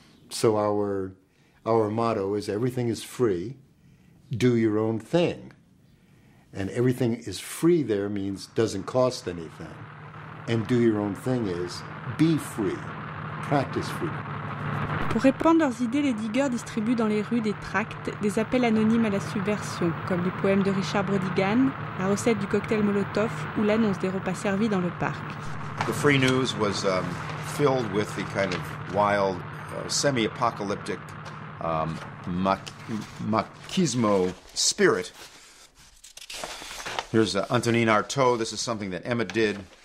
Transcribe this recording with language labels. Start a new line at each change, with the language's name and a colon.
English: So our motto is everything is free, do your own thing. And everything is free there means doesn't cost anything. And do your own thing is be free, practice freedom.
French: Pour répandre leurs idées, les diggers distribuent dans les rues des tracts, des appels anonymes à la subversion, comme les poèmes de Richard Brodigan, la recette du cocktail Molotov ou l'annonce des repas servis dans le parc.
English: The free news was filled with the kind of wild, semi-apocalyptic machismo spirit. Here's Antonin Artaud. This is something that Emmett did.